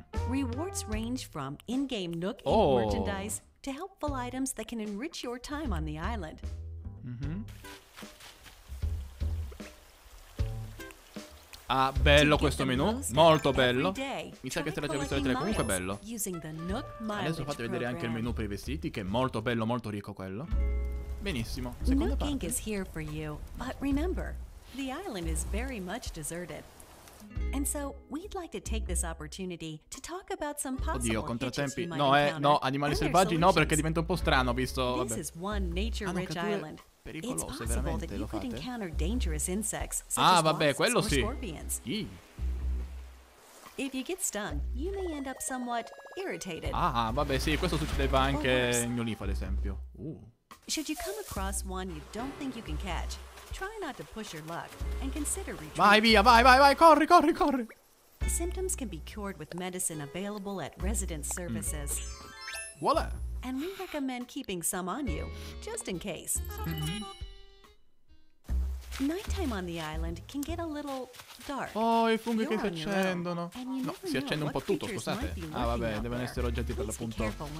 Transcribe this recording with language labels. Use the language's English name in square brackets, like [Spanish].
[English] Rewards range from in-game Nook and merchandise to helpful items that can enrich your time on the island. [Italian] Ah, bello questo menu, molto bello. Mi sa che se l'ha già visto le tre, comunque bello. Adesso fate vedere anche il menu per i vestiti, che è molto bello, molto ricco quello. Benissimo, seconda parte. [English] Nook Inc. is here for you, but remember, the island is very much deserted. And so, we'd like to take this opportunity to talk about some possible [Italian] oddio, contrattempi. No, no, animali selvaggi no, perché diventa un po' strano, visto... [English] This is one nature-rich island. [Italian] Pericolose, veramente, lo fate? [English] Encounter dangerous insects, such ah, as [Italian] vabbè, quello sì. [English] Scorpions. If you get stung, you may end up somewhat irritated. [Italian] Ah, vabbè, sì, questo succedeva anche in Olifa, ad esempio. [English] Should you come across one you don't think you can catch, try not to push your luck and consider retreating. [Italian] Vai via, vai, vai, vai, corri, corri, corri. [English] Symptoms can be cured with medicine available at residence services. [Italian] Voilà. [English] And we recommend keeping some on you, just in case. Nighttime on the island can get a little dark. [Italian] Oh, i funghi che si accendono. No, si accende un po' tutto, scusate. Ah, vabbè, devono essere oggetti per l'appunto.